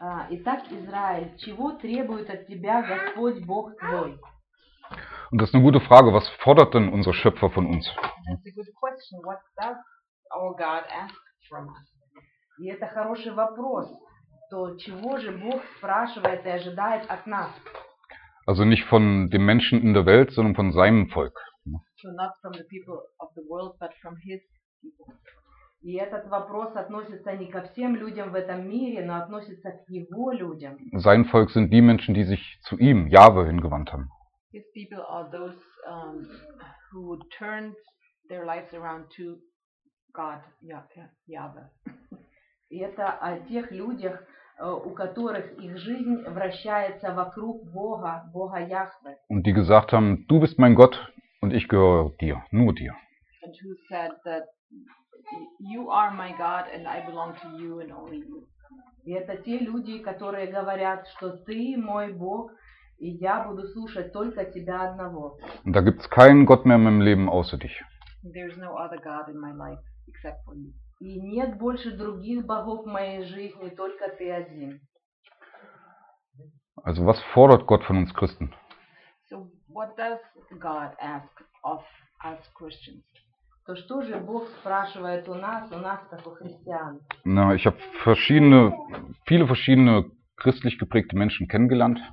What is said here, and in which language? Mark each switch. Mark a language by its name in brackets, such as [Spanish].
[Russian] Итак, Израиль, чего требует от тебя Господь Бог твой? [German] Und das ist eine gute Frage. Was fordert denn unser Schöpfer von uns? [English] That's a good question. What does our God ask from us? [Russian] И это хороший вопрос. То чего же Бог спрашивает и ожидает от нас? [German] Also nicht von dem Menschen in der Welt, sondern von seinem Volk. [English] So not from the people of the world, but from his people. [Russian] И этот вопрос относится не ко всем людям в этом мире, но относится к его людям. [German] Sein Volk sind die Menschen, die sich zu ihm, Jahwe, hingewandt haben. [English] His people are those who turned their lives around to God, Jahwe. [Russian] И это о тех людях, у которых их жизнь вращается вокруг Бога, Бога Яхве. [German] Und die gesagt haben, du bist mein Gott und ich gehöre dir, nur dir. [English] And who said that you are my God and I belong to you and only you. [Russian] И это те люди, которые говорят, что ты мой Бог и я буду слушать только тебя одного. [German] Und da gibt's keinen Gott mehr in meinem Leben außer dich. [English] There's no other God in my life except for you. [Russian] И нет больше других богов в моей жизни, только ты один. [German] Also, was fordert Gott von uns Christen? [English] So, what does God ask of us Christians? [Russian] То что же Бог спрашивает у нас, как у христиан? [German] Na, ich habe verschiedene, viele verschiedene christlich geprägte Menschen kennengelernt.